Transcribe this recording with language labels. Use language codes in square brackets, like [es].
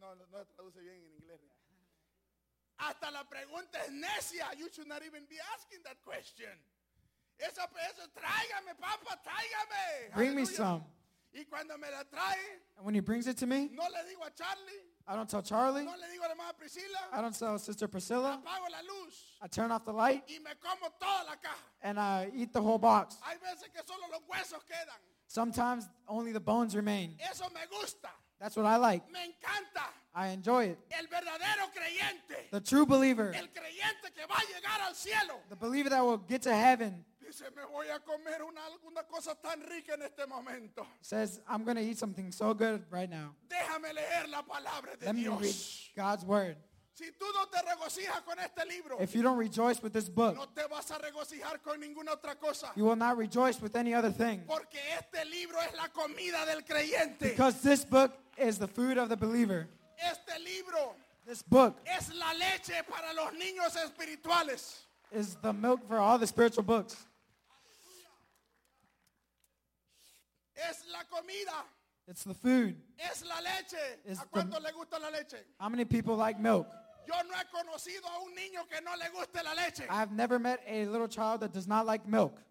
[es] No traduce bien en inglés. Hasta la pregunta es necia. [en] You should not even be asking that question. [es] Eso, tráigame, papa, tráigame. [en] Bring me some. [es] Y cuando me la trae, [en] and when he brings it to me, [es] no le digo a Charlie. [en] I don't tell Charlie. [es] No le digo a la mamá Priscila. [en] I don't tell Sister Priscilla. [es] Apago la luz. [en] I turn off the light. [es] Y me como toda la caja. [en] And I eat the whole box. [es] Hay veces que solo los huesos quedan. [en] Sometimes only the bones remain. [es] Eso me gusta. [en] That's what I like. [es] Me encanta. [en] I enjoy it. [es] El verdadero creyente. [en] The true believer. [es] El creyente que va a llegar al cielo. [en] The believer that will get to heaven. [es] Dice, me voy a comer una cosa tan rica en este momento. [en] Says, I'm going to eat something so good right now. [es] Déjame leer la palabra de [en] Let [es] Dios. [en] Me read God's word. [es] Si tú no te regocijas con este libro, [en] if you don't rejoice with this book, [es] no te vas a regocijar con ninguna otra cosa. [en] You will not rejoice with any other thing. [es] Porque este libro es la comida del creyente. [en] Because this book is the food of the believer. [es] Este libro, [en] this book, [es] es la leche para los niños espirituales. [en] Is the milk for all the spiritual books. [es] Es la comida. [en] It's the food. [es] Es la leche. ¿A cuánto le gusta la leche? [en] How many people like milk? [es] Yo no he conocido a un niño que no le guste la leche. [en] I have never met a little child that does not like milk.